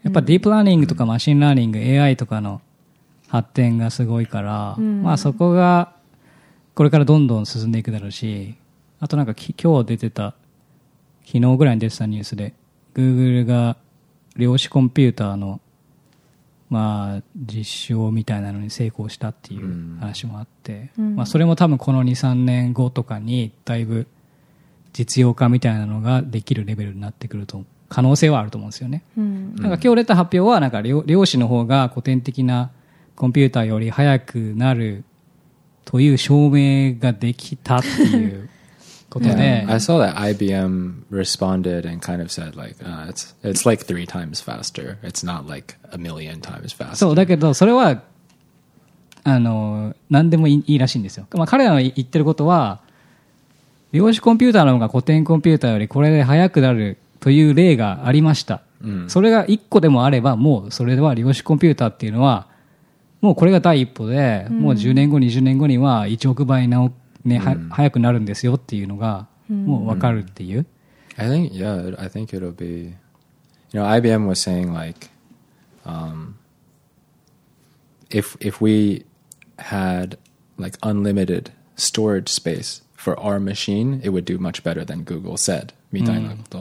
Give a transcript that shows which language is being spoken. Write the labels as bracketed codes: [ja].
[ja] やっぱディープラーニングとかマシンラーニング、AI とかの発展がすごいから、まあそこがこれからどんどん進んでいくだろうし、あとなんか今日出てた昨日ぐらいに出てたニュースで Google が量子コンピューターのまあ、実証みたいなのに成功したっていう話もあって、まあ、それも多分この 2,3 年後とかにだいぶ実用化みたいなのができるレベルになってくると可能性はあると思うんですよね。なんか今日出た発表はなんか量子の方が古典的なコンピューターより速くなるという証明ができたっていうことで、 [en] yeah. I saw that IBM responded and kind of said like、it's like three times faster. It's not like a million times faster. [ja] そうだけどそれはあの何でもいいらしいんですよ。まあ、彼らの言ってることは量子コンピューターの方が古典コンピューターよりこれで速くなるという例がありました、それが1個でもあればもうそれでは量子コンピューターっていうのはもうこれが第一歩で、もう10年後20年後には1億倍なおね、早くなるんですよっていうのがもう分かるっていう。 [en] I think, yeah, I think it'll be, you know, IBM was saying like, if we had like unlimited storage space for our machine, it would do much better than Google said. [ja] みたいなこと。